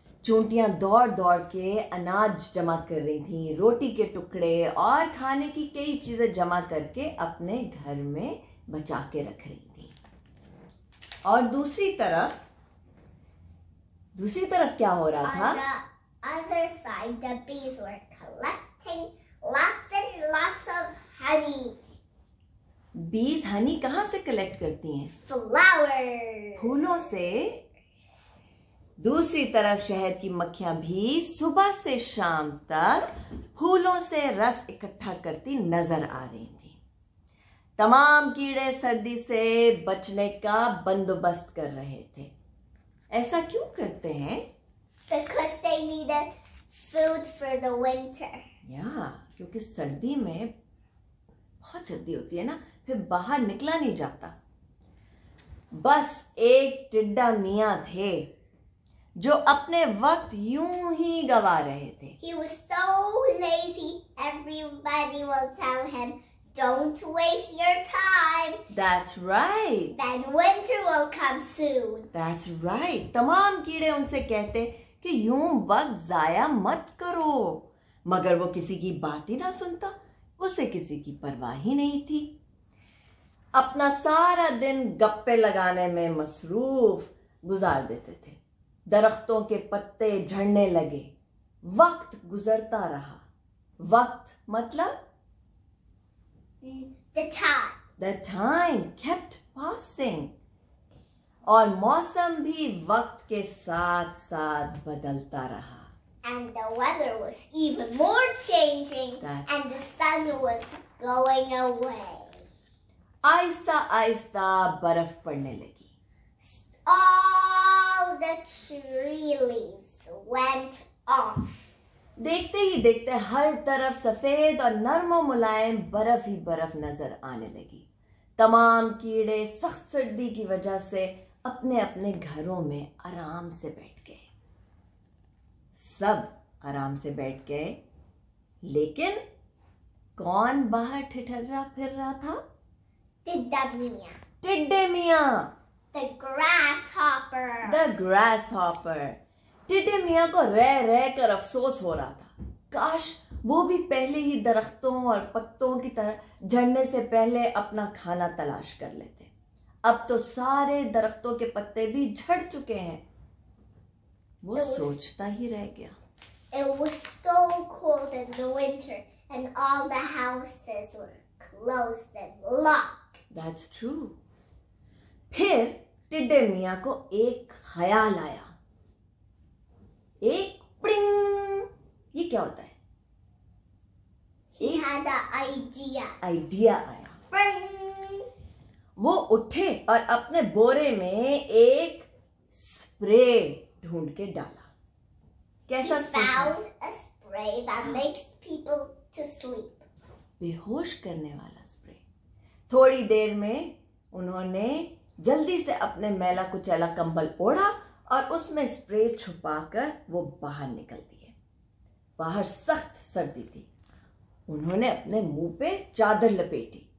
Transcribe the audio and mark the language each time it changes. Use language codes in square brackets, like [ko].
[hi] चूंटियां दौड़ दौड़ के अनाज जमा कर रही थी, रोटी के टुकड़े और खाने की कई चीजें जमा करके अपने घर में बचा के रख रही थी। और दूसरी तरफ क्या हो रहा था? [en] Other side, the bees were collecting lots and lots of honey. [hi] बीज हनी कहाँ से कलेक्ट करती हैं? [en] Flowers. [hi] फूलों से। दूसरी तरफ शहद की मक्खियां भी सुबह से शाम तक फूलों से रस इकट्ठा करती नजर आ रही थी। तमाम कीड़े सर्दी से बचने का बंदोबस्त कर रहे थे। ऐसा क्यों करते हैं? [en] Because they needed food for the winter. [hi] क्योंकि सर्दी में बहुत सर्दी होती है ना, फिर बाहर निकला नहीं जाता। बस एक टिड्डा मियां थे जो अपने वक्त यूं ही गवा रहे थे। [en] He was so lazy, everybody will tell him, don't waste your time. That's right. Then winter will come soon. That's right. [hi] तमाम कीड़े उनसे कहते कि यूं वक्त जाया मत करो, मगर वो किसी की बात ही ना सुनता। उसे किसी की परवाह ही नहीं थी। अपना सारा दिन गप्पे लगाने में मसरूफ गुजार देते थे। दरख्तों के पत्ते झड़ने लगे, वक्त गुजरता रहा। वक्त मतलब [en] the time kept passing, [hi] और मौसम भी वक्त के साथ साथ बदलता रहा। [en] And the weather was even more changing, and the sun was going away. [hi] Aista aista barf padne lagi. [en] All the tree leaves went off. [hi] Dekhte hi dekhte har taraf safed aur narm aur mulayam barf hi barf nazar aane lagi. Tamam keede sakht sardi ki wajah se apne apne gharon mein aaram se baith gaye. सब आराम से बैठ गए, लेकिन कौन बाहर ठिठर्रा फिर रहा था? टिड्डे मियां। [en] The grasshopper. [hi] टिड्डे मियां को रह रह कर अफसोस हो रहा था। काश वो भी पहले ही दरख्तों और पत्तों की तरह झड़ने से पहले अपना खाना तलाश कर लेते। अब तो सारे दरख्तों के पत्ते भी झड़ चुके हैं। वो सोचता ही रह गया। [en] It was so cold in the winter and all the houses were closed and locked. That's true. [hi] फिर टिड्डे मियां को एक ख्याल आया। एक प्रिंग, ये क्या होता है? [en] He had an idea. [hi] Idea आया। प्रिंग। वो उठे और अपने बोरे में एक स्प्रे ढूंढ के डाला। कैसा spray? [en] Found a spray that makes people to sleep. [hi] बेहोश करने वाला स्प्रे। थोड़ी देर में उन्होंने जल्दी से अपने मैला कुचैला कंबल ओढ़ा और उसमें स्प्रे छुपाकर वो बाहर निकल दिए। बाहर सख्त सर्दी थी। उन्होंने अपने मुंह पे चादर लपेटी।